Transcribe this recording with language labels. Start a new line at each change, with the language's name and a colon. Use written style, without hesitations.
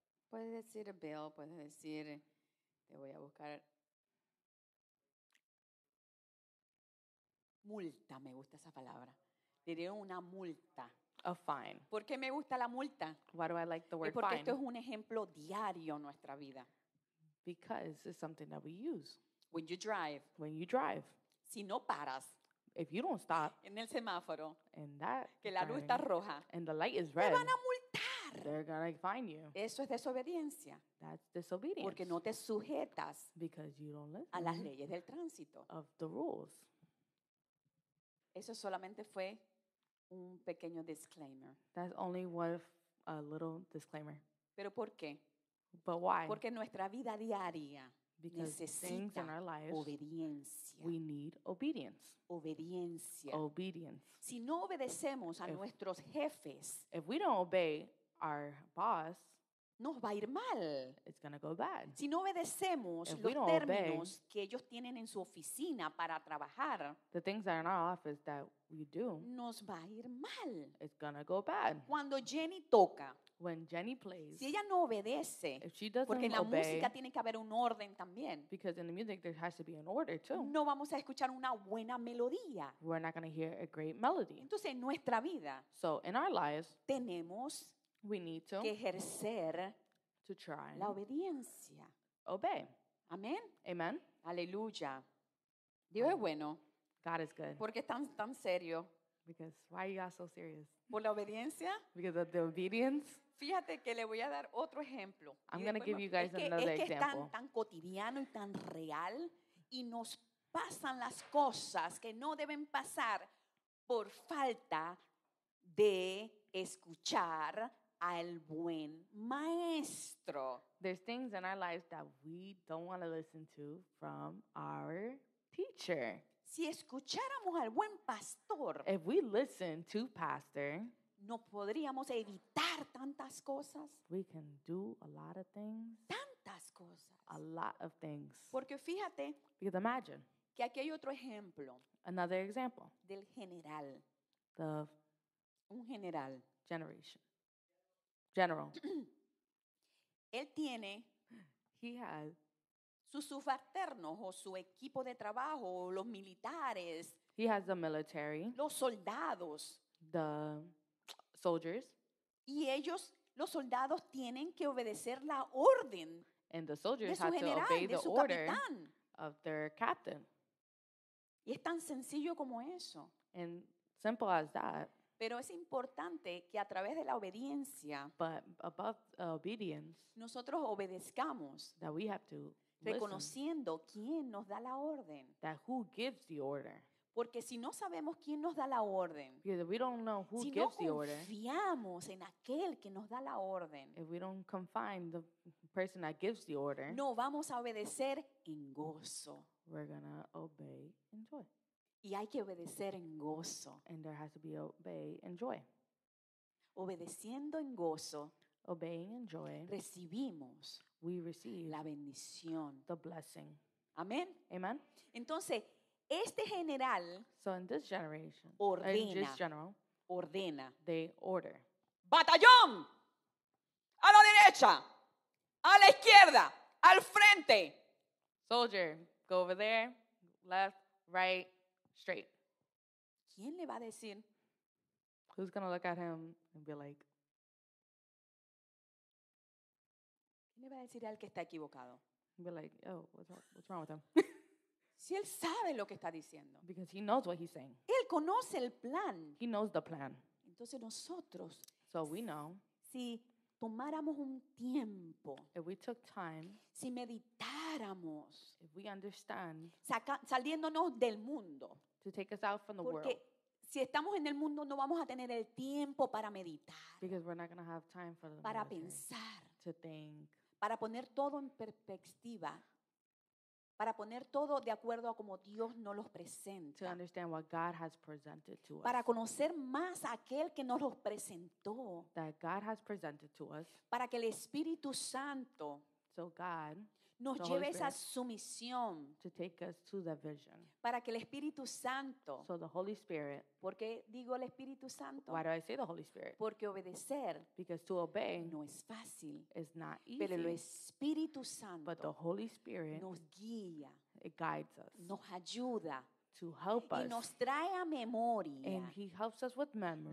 Spanish: Puedes decir a bill, puedes decir, te voy a buscar. Multa, me gusta esa palabra. Le dieron una multa.
English: A fine.
Spanish: ¿Por qué me gusta la multa?
English: Why do I like the word
Spanish: porque
English: fine?
Spanish: Porque esto es un ejemplo diario en nuestra vida.
English: Because it's something that we use. When you drive. When you drive.
Spanish: Si no paras.
English: If you don't stop,
Spanish: en el semáforo,
English: and that
Spanish: que la luz está roja,
English: and the light is red,
Spanish: te van a multar.
English: They're gonna fine you.
Spanish: Eso es desobediencia.
English: That's disobedience.
Spanish: Porque no te sujetas,
English: because you don't listen,
Spanish: a las leyes del tránsito,
English: of the rules.
Spanish: Eso solamente fue un pequeño disclaimer.
English: That's only worth a little disclaimer.
Spanish: Pero ¿por qué?
English: But why?
Spanish: Porque nuestra vida diaria,
English: because
Spanish: necesita
English: things in our lives,
Spanish: obediencia.
English: We need obedience.
Spanish: Obediencia.
English: Obedience.
Spanish: Si no obedecemos a nuestros jefes,
English: if we don't obey our boss,
Spanish: nos va a ir mal.
English: It's going to go bad.
Spanish: Si no obedecemos
English: if
Spanish: los términos
English: obey,
Spanish: que ellos tienen en su oficina para trabajar,
English: the things that are in our office that we do,
Spanish: nos va a ir mal.
English: It's going to go bad.
Spanish: Cuando Jenny toca,
English: when Jenny plays,
Spanish: si ella no obedece,
English: if she doesn't
Spanish: porque en la
English: obey,
Spanish: música tiene que haber un orden también,
English: because in the music there has to be an order too,
Spanish: no vamos a escuchar una buena melodía.
English: We're not going to hear a great melody.
Spanish: Entonces, en nuestra vida,
English: so in our lives,
Spanish: tenemos,
English: we need to,
Spanish: que ejercer,
English: to try,
Spanish: la obediencia.
English: Obey.
Spanish: Amén.
English: Amen.
Spanish: Aleluya. Dios es bueno.
English: God is good.
Spanish: ¿Por qué es tan serio?
English: Because why are you all so serious?
Spanish: Por la obediencia.
English: Because of the obedience.
Spanish: Fíjate que le voy a dar otro ejemplo.
English: I'm going to give you guys another example.
Spanish: Es que es tan cotidiano y tan real, y nos pasan las cosas que no deben pasar por falta de escuchar al buen maestro.
English: There's things in our lives that we don't want to listen to from our teacher.
Spanish: Si escucháramos al buen pastor,
English: if we listen to pastor,
Spanish: no podríamos evitar tantas cosas.
English: We can do a lot of things.
Spanish: Tantas cosas.
English: A lot of things.
Spanish: Porque fíjate,
English: because imagine,
Spanish: que aquí hay otro ejemplo.
English: Another example.
Spanish: Del general.
English: The
Spanish: un general.
English: Generation. General.
Spanish: Él tiene,
English: he has,
Spanish: sus subalternos o su equipo de trabajo, o los militares.
English: He has the military.
Spanish: Los soldados.
English: The soldiers.
Spanish: Y ellos, los soldados, tienen que obedecer la orden.
English: And the soldiers have general, to obey the order of their captain.
Spanish: Y es tan sencillo como eso.
English: And simple as that.
Spanish: Pero es importante que a través de la obediencia,
English: but above obedience,
Spanish: nosotros obedezcamos,
English: that we have to
Spanish: reconociendo
English: listen,
Spanish: quién nos da la orden.
English: That who gives the order.
Spanish: Porque si no sabemos quién nos da la orden,
English: because if we don't know who
Spanish: si
English: gives
Spanish: no
English: the order,
Spanish: confiamos en aquel que nos da la orden,
English: if we don't confide in the person that gives the order,
Spanish: no vamos a obedecer en gozo.
English: We're gonna obey in joy.
Spanish: Y hay que obedecer en gozo.
English: And there has to be obey in joy.
Spanish: Obedeciendo en gozo,
English: obeying in joy,
Spanish: recibimos,
English: we receive,
Spanish: la bendición,
English: the blessing.
Spanish: Amén.
English: Amen.
Spanish: Entonces, este general,
English: so in this generation,
Spanish: ordena,
English: in this general,
Spanish: ordena,
English: they order.
Spanish: Batallón, a la derecha, a la izquierda, al frente.
English: Soldier, go over there, left, right, straight.
Spanish: ¿Quién le va a decir?
English: Who's going to look at him and be like,
Spanish: ¿quién le va a decir al que está equivocado?
English: Be like, oh, what's wrong with him?
Spanish: Si él sabe lo que está diciendo.
English: Because he knows what he's saying.
Spanish: Él conoce el plan.
English: He knows the plan.
Spanish: Entonces nosotros,
English: so we know,
Spanish: si tomáramos un tiempo,
English: if we took time,
Spanish: si meditáramos,
English: if we understand,
Spanish: saliéndonos del mundo,
English: to take us out from the
Spanish: porque
English: world,
Spanish: si estamos en el mundo no vamos a tener el tiempo para meditar,
English: because we're not going to have time for the
Spanish: para pensar,
English: to think,
Spanish: para poner todo en perspectiva, para poner todo de acuerdo a como Dios nos los presenta,
English: to understand what God has presented to us,
Spanish: para conocer más a aquel que nos los presentó,
English: that God has presented to us,
Spanish: para que el Espíritu Santo,
English: so God,
Spanish: nos lleve esa sumisión,
English: to take us to the vision,
Spanish: para que el Espíritu Santo,
English: so the Holy Spirit,
Spanish: ¿por qué digo el Espíritu Santo?
English: Why do I say the Holy Spirit?
Spanish: Porque obedecer,
English: because to obey,
Spanish: no es fácil,
English: is not easy,
Spanish: pero el Espíritu Santo,
English: but the Holy Spirit,
Spanish: nos guía,
English: it guides us,
Spanish: nos ayuda,
English: to help us,
Spanish: y nos trae a memoria,
English: and he helps us with memories,